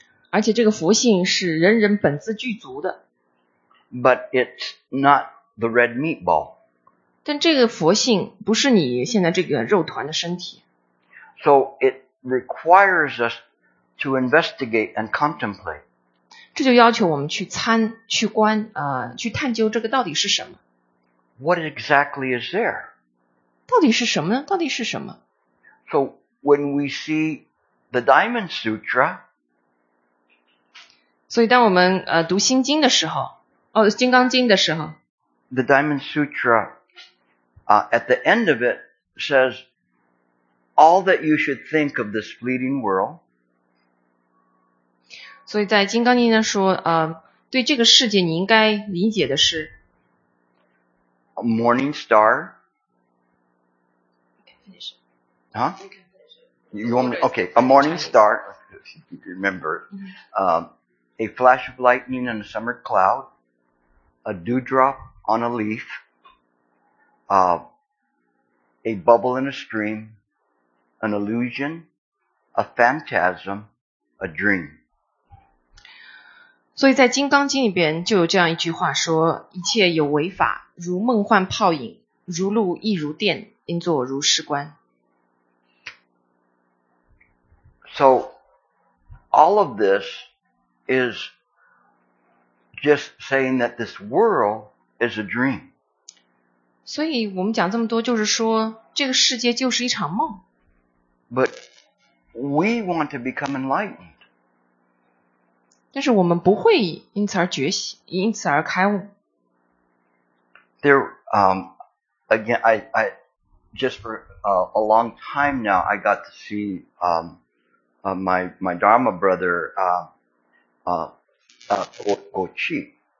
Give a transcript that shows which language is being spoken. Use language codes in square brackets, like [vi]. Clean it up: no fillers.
[zh] 而且这个佛性是人人本自具足的。 [en] But it's not the red meatball. [zh] 但这个佛性不是你现在这个肉团的身体。 [en] So it requires us to investigate and contemplate. [zh] 这就要求我们去参、去观、去探究这个到底是什么。 [en] What exactly is there? [zh] 到底是什么呢？到底是什么 [en] ？So when we see the Diamond Sutra, [zh] 所以当我们读心经的时候金刚经的时候 [en] The Diamond Sutra At the end of it says, all that you should think of this fleeting world. [zh] 所以在金刚经上说，对这个世界你应该理解的是 [en] a morning star. Finish. Huh? You want me? Okay, a morning star. Remember, a flash of lightning in a summer cloud, a dewdrop on a leaf. A bubble in a stream, an illusion, a phantasm, a dream. [zh] 所以在金刚经里边就有这样一句话说，一切有为法，如梦幻泡影，如露亦如电，应作如是观。 [en] So, all of this is just saying that this world is a dream. [zh] 所以我们讲这么多就是说这个世界就是一场梦。 [en] But we want to become enlightened. [zh] 但是我们不会因此而觉醒，因此而开悟。 [en] There, again, I just for a long time now, I got to see my Dharma brother, Guoqi.